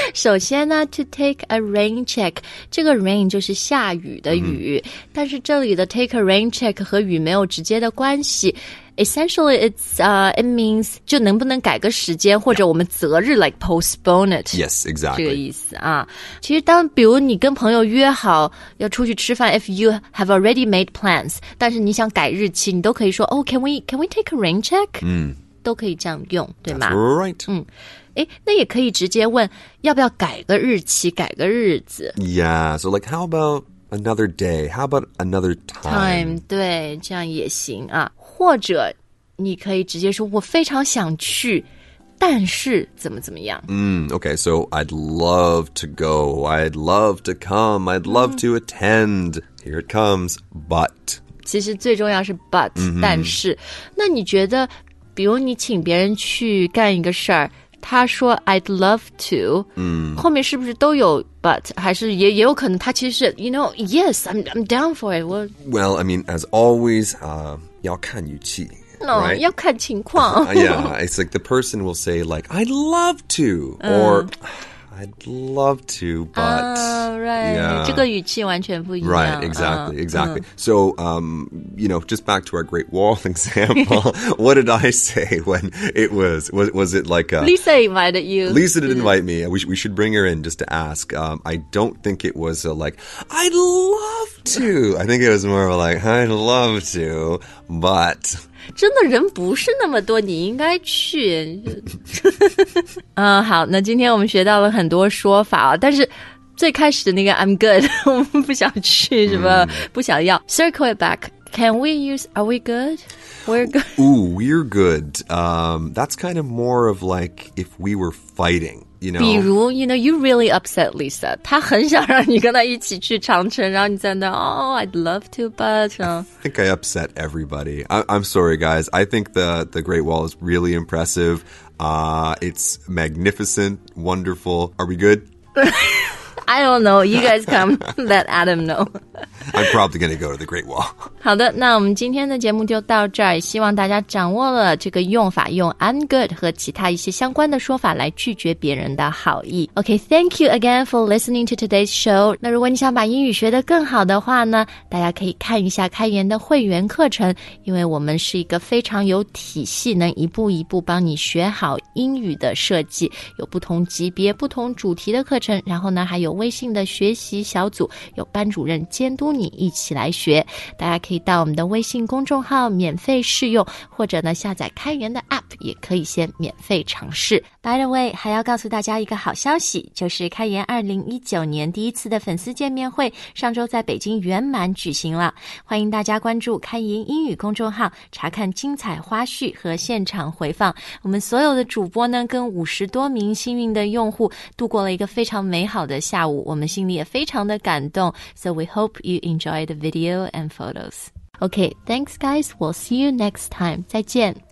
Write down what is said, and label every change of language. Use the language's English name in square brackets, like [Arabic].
[Chinese] 首先呢 [English] to take a rain check, [Chinese] 这个 rain 就是下雨的雨、mm-hmm. 但是这里的 take a rain check 和雨没有直接的关系。 [English] Essentially, it means [Chinese] 就能不能改个时间或者我们择日 [English] like postpone it. Yes, exactly. [Chinese] 这个意思啊。其实当比如你跟朋友约好要出去吃饭 [English] if you have already made plans, [Chinese] 但是你想改日期你都可以说 [English] oh, can we take a rain check? 嗯、mm. [Chinese] 都可以这样用，对吗 [English] That's right. [Chinese] 嗯，诶，那也可以直接问，要不要改个日期，改个日子。 [English] Yeah, so like, how about another day? How about another time? [Chinese] Time, 对，这样也行啊。或者你可以直接说，我非常想去，但是怎么怎么样。 [English] Okay, so I'd love to go, I'd love to come, I'd love to attend. Here it comes, but. [Chinese] 其实最重要是 but,、 mm-hmm. 但是。那你觉得比如你请别人去干一个事儿，他说 [English] I'd love to、嗯、 [Chinese] 后面是不是都有 but 还是 也有可能他其实是 [English] you know, yes, I'm down for it、What? Well, I mean, as always、 [Chinese] 要看语气、 [English] no, right? [Chinese] 要看情况 [English] Yeah, it's like the person will say like I'd love to、or I'd love to, but、 right. yeah. [Chinese] 这个语气完全不一样 [English] Right, exactly, exactly、So, you know, just back to our Great Wall example What did I say when it was it like Lisa invited you Lisa did invite me we should bring her in just to ask、I don't think it was like I'd love to I think it was more of like I'd love to, but [Chinese] 真的人不是那么多你应该去好那今天我们学到了很多说法但是最开始的那个 I'm good 我们不想去什么、不想要 [English] Circle it back Can we use Are we good? We're good Ooh, we're good、That's kind of more of like If we were fighting You know [Chinese] 比如 [English] You know, you really upset Lisa [Chinese] 她很想让你跟她一起去长城然后你在那 [English] Oh, I'd love to but、 I think I upset everybody I'm sorry guys I think the Great Wall is really impressive It's magnificent, wonderful. Are we good? I don't know. You guys come let Adam know. I'm probably going to go to the Great Wall. [Chinese] 好的，那我们今天的节目就到这儿。希望大家掌握了这个用法，用 I'm good 和其他一些相关的说法来拒绝别人的好意。 [English] Okay, thank you again for listening to today's show. [Chinese] 那如果你想把英语学得更好的话呢，大家可以看一下开言的会员课程，因为我们是一个非常有体系，能一步一步帮你学好英语的设计，有不同级别、不同主题的课程，然后呢，还有微信的学习小组，有班主任监督你一起来学，大家可以到我们的微信公众号免费试用，或者呢下载开言的 app 也可以先免费尝试。 [English] By the way, [Chinese] 还要告诉大家一个好消息，就是开言2019年第一次的粉丝见面会上周在北京圆满举行了，欢迎大家关注开言英语公众号查看精彩花絮和现场回放。我们所有的主播呢跟50多名幸运的用户度过了一个非常美好的下午。舞，我们心里也非常的感动。 [English] So we hope you enjoy the video and photos. Okay, thanks guys, we'll see you next time. [Chinese] 再见。